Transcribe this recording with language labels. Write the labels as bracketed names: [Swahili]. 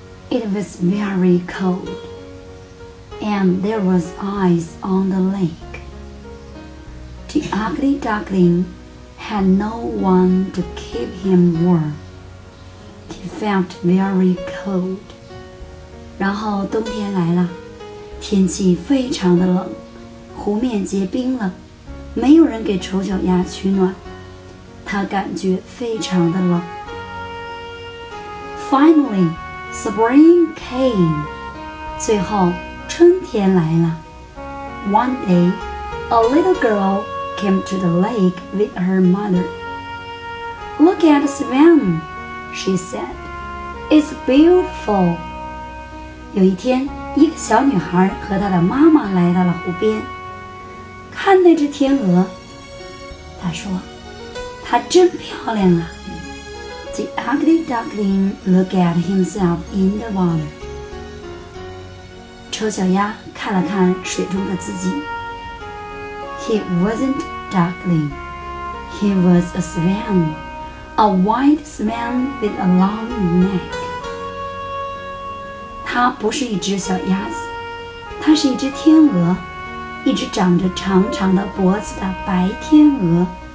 [English] It was very cold, and there was ice on the lake. The ugly duckling had no one to keep him warm. He felt very cold. [Chinese] 然后冬天来了，天气非常的冷，湖面结冰了，没有人给丑小鸭取暖，它感觉非常的冷。 [English] Finally, spring came. [Chinese] 最后春天来了。 [English] One day, a little girl came to the lake with her mother. Look at the swan, she said. It's beautiful. [Chinese] 有一天，一个小女孩和她的妈妈来到了湖边，看那只天鹅，她说，她真漂亮啊。 [English] The ugly duckling looked at himself in the water. [Chinese] 丑小鸭看了看水中的自己。 [English] He wasn't a duckling. He was a swan. A white swan with a long neck. [Chinese] 它不是一只小鸭子，它是一只天鹅，一只长着长长的脖子的白天鹅。